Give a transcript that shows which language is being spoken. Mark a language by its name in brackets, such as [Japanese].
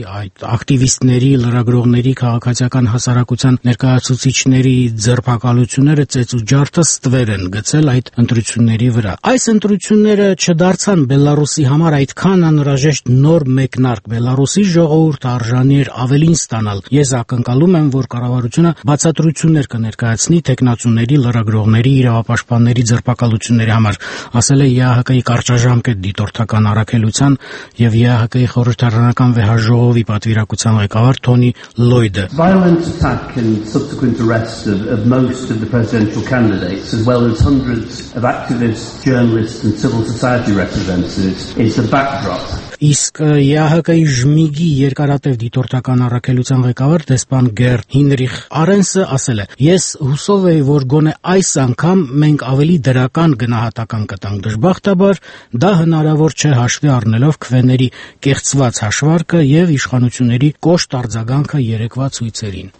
[Armenian] այդ ակտիվիստների, լրագրողների, քաղաքացիական հասարակության ներկայացուցիչների ձերբակալությունները ծեծուջարդը ստվեր են գցել այդ ընտրությունների վրա։ Այս ընտրությունները չդարձան Բելարուսի համար այդքան անհրաժեշտ նոր մեկնարկ Բելարուսի ժողովուրդ արժանիեր ավելին ստանալ։ Ես ակնկալում եմ, որ կառավարությունը բացատրություններ կներկայացնի տեխնացուների, լրագրողների, իրավապաշտպանների ձերբակալությունների համար, ասել է ԵԱՀԿ-ի կարճաժամկետ դիտորդական առաքելության եւ ԵԱՀԿ-ի խորհրդարանական վեհաժողովի պատվիրակության ղեկավար Թոնի Լոյդը։ [English] Violence attack and subsequent arrest of most of the presidential candidates as well as hundreds of activists, journalists and civil society representatives is the backdrop. [Armenian] Իսկ ԵԱՀԿ-ի ժմիգի երկարատև դիտորդական առաքելության ղեկավար դեսպան Գեր Հինրիխ Արենսը ասել է. Ես հուսով էի, որ գոնե այս անգամ մենք ավելի դրական գնահատական կտանք, դժբախտաբար դա հնարավոր չէ հաշվի առնելով քվեների կեղծված հաշվարկը եւ իշխանությունների կոշտ արձագանքը երեկվա ցույցերին։